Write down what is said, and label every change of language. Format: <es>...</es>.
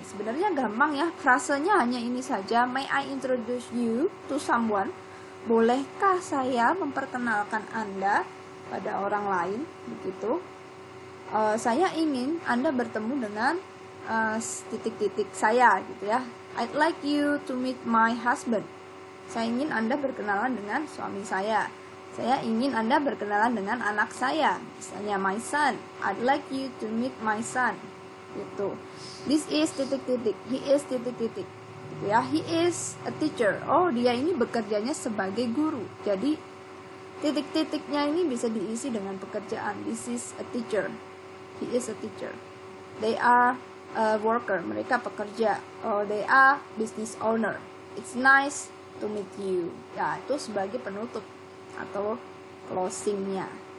<id>Sebenarnya gampang ya, frasenya hanya ini saja,</id> <en>may I introduce you to someone?</en> <id>Bolehkah saya memperkenalkan Anda pada orang lain? Begitu. Saya ingin Anda bertemu dengan titik-titik saya gitu ya.</id> <en>I'd like you to meet my husband.</en> <id>Saya ingin Anda berkenalan dengan suami saya. Saya ingin Anda berkenalan dengan anak saya, misalnya</id> <en>my son. I'd like you to meet my son.</en> <id>Gitu.</id> <en>This is</en> <id>titik-titik.</id> <en>He is</en> <id>titik-titik. Gitu ya.</id> <en>He is a teacher.</en> <id>Oh, dia ini bekerjanya sebagai guru. Jadi titik-titiknya ini bisa diisi dengan pekerjaan.</id> <en>This is a teacher. He is a teacher. They are a worker.</en> <id>Mereka pekerja.</id> <en>Oh, they are business owner. It's nice to meet you.</en> <id>Ya, itu sebagai penutup atau closingnya.</id>